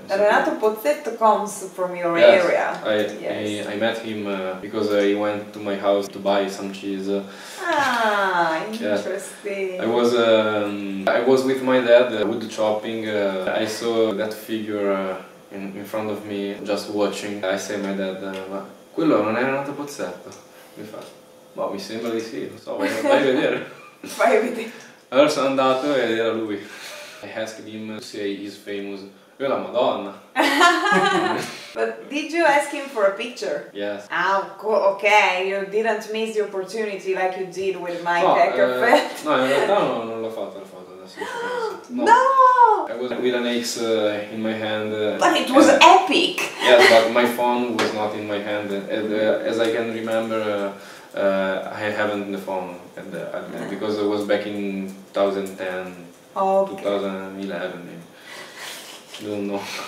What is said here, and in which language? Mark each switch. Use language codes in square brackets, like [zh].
[en] Renato Pozzetto comes from your area. I met him because he went to my house to buy some cheese. Ah, interesting. Yeah. I was with my dad wood chopping. I saw that figure in front of me just watching. I say to my dad, [it] ma quello non è Renato Pozzetto? Mi fa, ma mi sembra di sì, non so, vai a vedere. Allora sono andato ed era lui. [en] I asked him to say he's famous. [it] Io la Madonna. [en] But did you ask him for a picture? Yes. Ah, cool. Okay, you didn't miss the opportunity like you did with Mike Åkerfeldt. [it] No, in realtà non l'ho fatto la foto adesso. [en] No! I was with an ace in my hand. But it was epic! Yes, but my phone was not in my hand. And, as I can remember, I haven't the phone at the admin because it was back in 2010, okay. 2011 maybe. Don't know.